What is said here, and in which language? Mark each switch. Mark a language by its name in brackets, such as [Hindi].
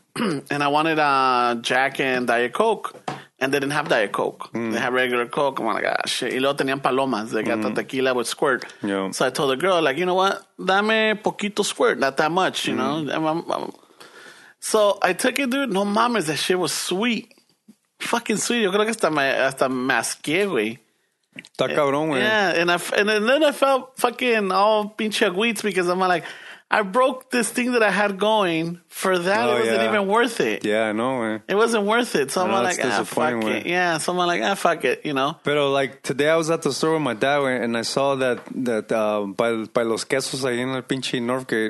[English] And I wanted Jack and Diet Coke, and they didn't have Diet Coke. They had regular Coke. I'm like, ah, shit. [Spanish] Y luego tenían palomas. [English] They got the tequila with Squirt. Yeah. So I told the girl, like, you know what? [Spanish] Dame poquito Squirt, [English] not that much, you know? So I took it, dude. [Spanish] No mames, [English] that shit was sweet. Fucking sweet. [Spanish] Yo creo que hasta masqué, güey. Está cabrón, güey. [English] Yeah, and then I felt fucking all pinche agüits because I'm like, I broke this thing that I had going for that. Oh, it wasn't even worth it. Yeah, I know, man. It wasn't worth it. So I'm like, ah, fuck it. Yeah, so I'm like, ah, fuck it, you know? But like today I was at the store with my dad and I saw that by Los Quesos [Spanish] ahí en el pinche [English] Northgate.